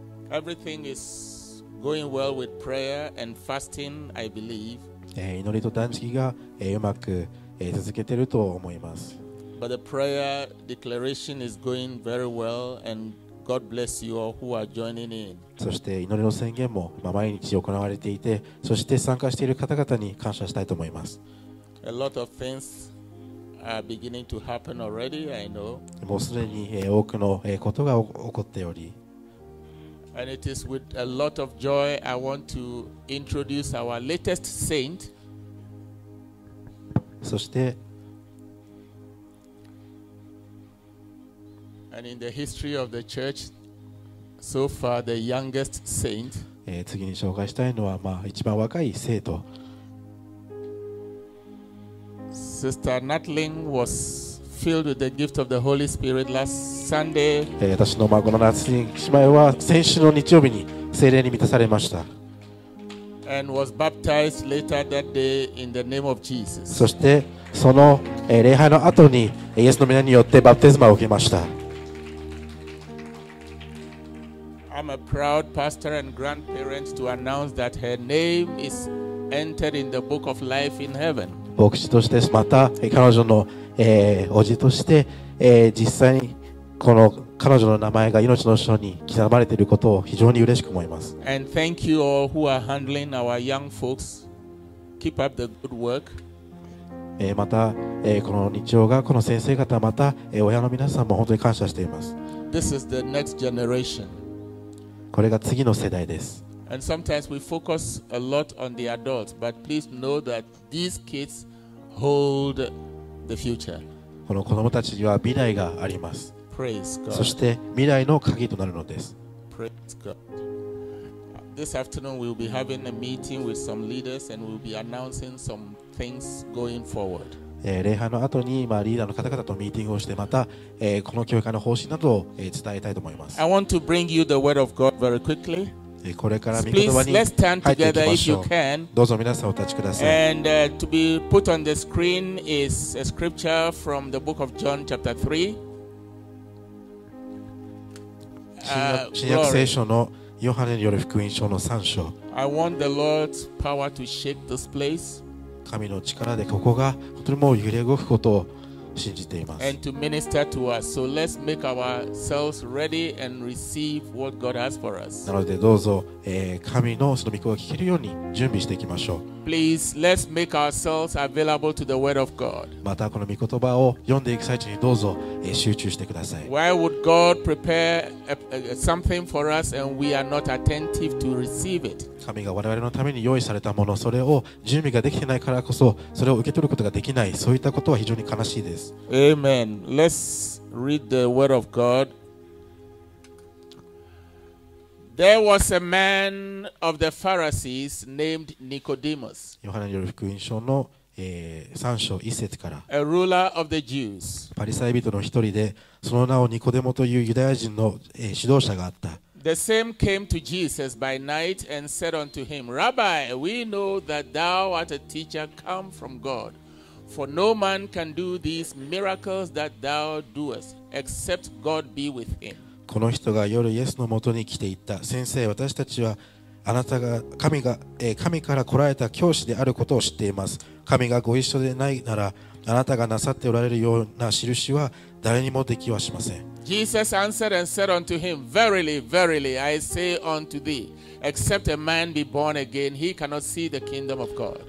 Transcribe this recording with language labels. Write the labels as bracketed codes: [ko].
[en] Everything is going well with prayer and fasting, I believe. But the prayer declaration is going very well, and God bless you all who are joining in. [ja] そして祈りの宣言も毎日行われていて、そして参加している方々に感謝したいと思います。 [en] A lot of things are beginning to happen already, I know. [ja] もうすでに多くのことが起こっており。 [en] And it is with a lot of joy I want to introduce our latest saint. [ja] そして。 [en] And in the history of the church, so far the youngest saint. [ja] 次に紹介したいのは、一番若い聖徒。 [en] Sister Natalie was filled with the gift of the Holy Spirit last Sunday. [ja] 私の孫の夏に姉妹は先週の日曜日に聖霊に満たされました。 [en] and was baptized later that day in the name of Jesus. [ja] そしてその礼拝の後にイエスの名によってバプテスマを受けました。 [en] I'm a proud pastor and grandparent to announce that her name is entered in the book of life in heaven. [ja] 牧師としてまた彼女の、おじとして、実際にこの彼女の名前が命の書に刻まれていることを非常に嬉しく思います。 [en] And thank you all who are handling our young folks. Keep up the good work. [ja] また、この日曜がこの先生方また、親の皆さんも本当に感謝しています。 [en] This is the next generation. [ja] これが次の世代です。 [en] And sometimes we focus a lot on the adults, but please know that these kids hold the future. [ja] この子供たちには未来があります。 [en] Praise God. [ja] そして未来の鍵となるのです。 [en] Praise God. This afternoon we'll be having a meeting with some leaders and we'll be announcing some things going forward. [ja] 礼拝の後に今リーダーの方々とミーティングをしてまた、この教会の方針などを伝えたいと思います。 [en] I want to bring you the word of God very quickly. [ja] これから御言葉に入っていきましょう。どうぞ皆さんお立ちください。 [en] And to be put on the screen is a scripture from the book of John chapter 3. [ja] 新約聖書のヨハネによる福音書の3章。 [en] I want the Lord's power to shake this place. [ja] 神の力でここが本当にもう揺れ動くことを信じています。 [en] And to minister to us. So let's make ourselves ready and receive what God has for us. [ja] なのでどうぞ、神のその御声を聞けるように準備していきましょう。 [en] Please let's make ourselves available to the word of God. [ja] またこの御言葉を読んでいく最中にどうぞ、集中してください。 [en] Why would God prepare something for us and we are not attentive to receive it? [ja] 神が我々のために用意されたもの、それを準備ができていないからこそ、それを受け取ることができない、そういったことは非常に悲しいです。 [en] Amen. Let's read the word of God. There was a man of the Pharisees named Nicodemus. [ja] ヨハネによる福音書の、3章1節から。 [en] A ruler of the Jews. [ja] パリサイ人の一人で、その名をニコデモというユダヤ人の、指導者があった。 [en] The same came to Jesus by night and said unto him, Rabbi, we know that thou art a teacher come from God, for no man can do these miracles that thou doest, except God be with him. [ja] この人が夜イエスのもとに来ていった。先生、私たちはあなたが神から来られた教師であることを知っています。神がご一緒でないなら、あなたがなさっておられるような印は誰にもできはしません。 [en] Jesus answered and said unto him, Verily, verily, I say unto thee, except a man be born again, he cannot see the kingdom of God.